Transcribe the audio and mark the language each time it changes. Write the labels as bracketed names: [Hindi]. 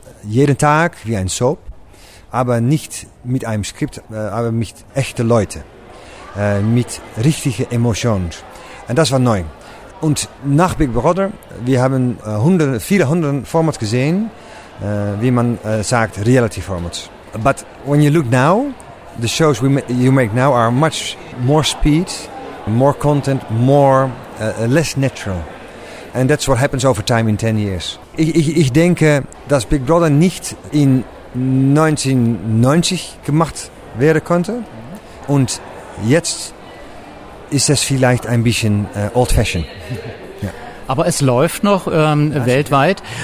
[German] Jeden Tag wie ein Soap, aber nicht mit einem Skript, aber mit echten Leuten, mit richtigen Emotionen. Und das war neu. Und nach Big Brother, wir haben 400 Formats gesehen, wie man sagt, Reality Formats. [English] But when you look now, the shows you make now are much more speed, more content, more less natural. And that's what happens over time in 10 years. [German] Ich denke, dass Big Brother nicht in 1990 gemacht werden konnte. Und jetzt ist es vielleicht ein bisschen old-fashioned. Aber es läuft noch weltweit.